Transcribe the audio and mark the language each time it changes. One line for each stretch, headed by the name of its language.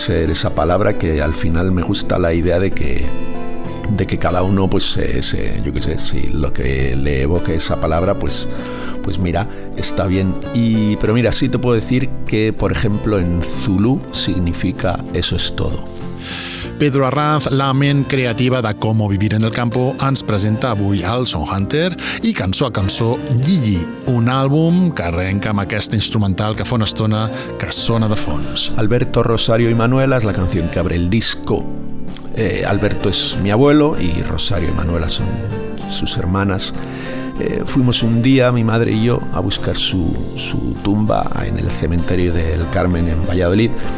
Spanish: esa palabra, que al final me gusta la idea de que cada uno, pues yo qué sé, si lo que le evoque esa palabra, pues mira, está bien. Pero mira, sí te puedo decir que, por ejemplo, en Zulu significa eso es todo.
Catalan: Pedro Arranz, la ment creativa de Como Vivir en el Campo, ens presenta avui al Son Hunter i cançó a cançó Gigi, un àlbum que arrenca amb aquesta instrumental que fa una estona que sona de fons.
Spanish: Alberto Rosario y Manuela es la canción que abre el disco. Alberto es mi abuelo y Rosario y Manuela son sus hermanas. Fuimos un día, mi madre y yo, a buscar su tumba en el cementerio del Carmen en Valladolid.